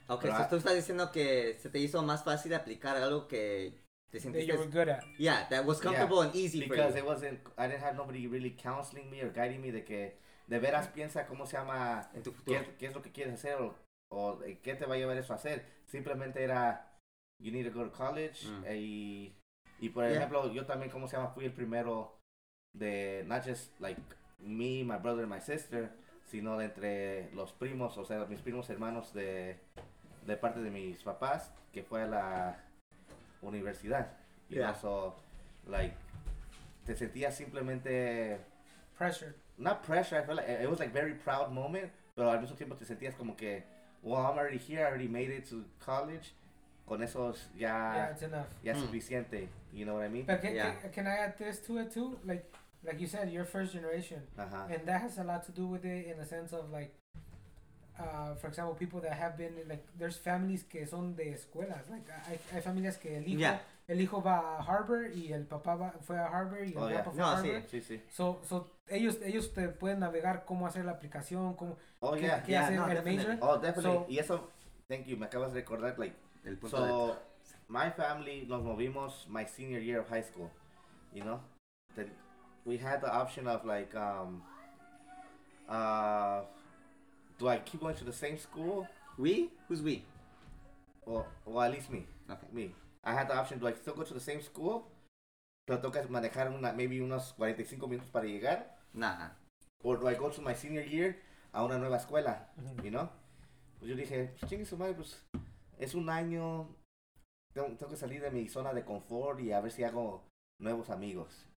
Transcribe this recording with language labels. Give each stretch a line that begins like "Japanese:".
Spanish: Okay, pero so tú estás diciendo que se te hizo más fácil aplicar algo que...
English: That you were good at. Yeah, that was comfortable and easy because for you. Because it wasn't, I didn't have nobody really counseling me or guiding me de que, de veras piensa cómo se llama,
Spanish: en tu futuro. Qué es lo que quieres hacer o qué te va a llevar eso a hacer.
English: Simplemente era, you need to go to college.
Spanish: Y por ejemplo, yo también, cómo se llama, fui el primero de, not just like me, my brother and my sister, sino de entre los primos, o sea, mis primos hermanos de parte de mis papás, que fue a la... universidad. Y yeah. So, like, te sentías simplemente...
English: Pressure. Not pressure, I felt like, it was like a very proud moment, pero al mismo tiempo te sentías como que, well, I'm already here, I already made it to college, con esos ya... Yeah, it's enough. Ya suficiente, you know what I mean? But can I add this to it too? Like you said, you're first generation. Uh-huh. And that has a lot to do with it in a sense of like, for example, people that have been, like, there's families que son de escuelas.
Spanish: Like, hay familias que el hijo va a Harvard y el papá fue a Harvard y el papá fue a Harvard. Sí. So ellos te pueden navegar cómo hacer la aplicación, cómo hacer el major. Oh, definitely. So, y eso, thank you, me acabas de recordar, like, el punto
English: so,
Spanish: de...
English: my family, nos movimos my senior year of high school, you know? Then we had the option of, like, do I keep going to the same school? We? Who's we? Well, at least me. Okay. Me. I had the option, do I still go to the same school?
Spanish: Pero tengo que manejar maybe unos 45 minutos para llegar.
English: Nah. Or do I go to my senior year a una nueva escuela? Mm-hmm. You know?
Spanish: Pues yo dije, chingue su madre, pues es un año. Tengo que salir de mi zona de confort y a ver si hago nuevos amigos.